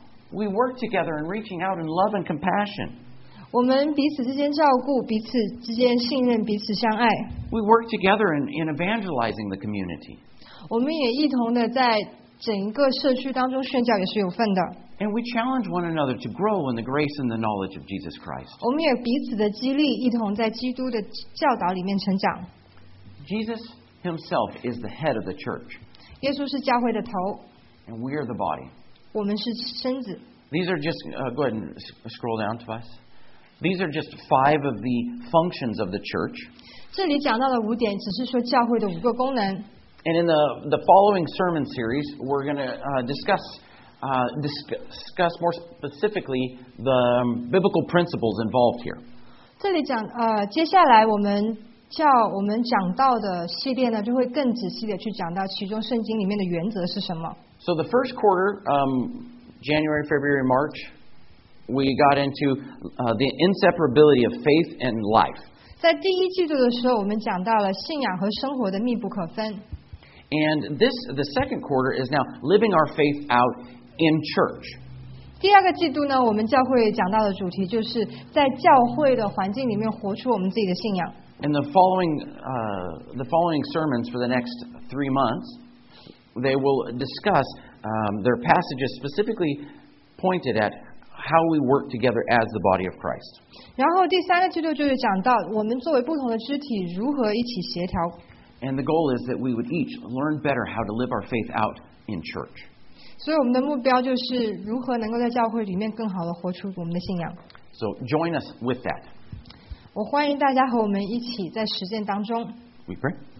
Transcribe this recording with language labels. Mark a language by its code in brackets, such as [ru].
[en] We work together in reaching out in love and compassion. [zh] 我们彼此之间照顾，彼此之间信任，彼此相爱。 [en] We work together in evangelizing the community. [zh] 我们也一同的在整个社区当中宣教也是有份的。 [en] And we challenge one another to grow in the grace and the knowledge of Jesus Christ. [zh] 我们也彼此的激励，一同在基督的教导里面成长。 [en] Jesus Himself is the head of the church. [zh] 耶稣是教会的头。 [en] And we are the body. [zh] 我们是身子。 [en] These are just go ahead and scroll down to us. These are just five of the functions of the church. [zh] 这里讲到的五点，只是说教会的五个功能。 [en] And in the following sermon series, we're going to discuss more specifically the biblical principles involved here. [zh] 这里讲接下来我们讲到的系列呢，就会更仔细的去讲到其中圣经里面的原则是什么。 [en] So the first quarter, January, February, March, we got into the inseparability of faith and life. [zh] 在第一季度的时候，我们讲到了信仰和生活的密不可分。 [en] And this, the second quarter is now living our faith out in church. [zh] 第二个季度呢，我们教会讲到的主题就是在教会的环境里面活出我们自己的信仰。 [en] And the following sermons for the next 3 months, they will discuss their passages specifically pointed at how we work together as the body of Christ. [zh] 然后第三个季度就是讲到我们作为不同的肢体如何一起协调。 [en] And the goal is that we would each learn better how to live our faith out in church. [zh] 所以我们的目标就是如何能够在教会里面更好地活出我们的信仰。 [en] So join us with that. [zh] 我欢迎大家和我们一起在实践当中。 [en] We pray.